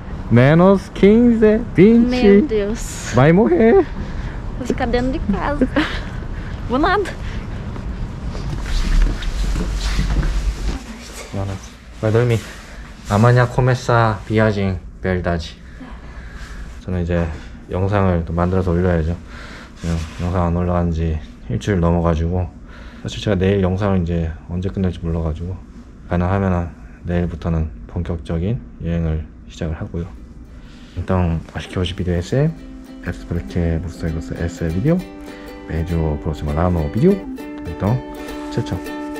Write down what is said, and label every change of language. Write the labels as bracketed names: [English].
[Portuguese] Menos 15, 20. Meu Deus. Vai morrer. Vou ficar dentro de casa. Vou nada. Vai dormir. Amanhã começa a viagem, verdade. [Korean] 저는 이제 영상을 또 만들어서 올려야죠. 영상 안 올라간 지 일주일 넘어가지고. 사실 제가 내일 영상을 이제 언제 끝낼지 몰라가지고. 가능하면 내일부터는 본격적인 여행을 시작을 하고요. [Portuguese] Então, acho que hoje o vídeo é esse. Espero que você goste desse vídeo. Vejo o próximo lá no vídeo. Então, tchau, tchau.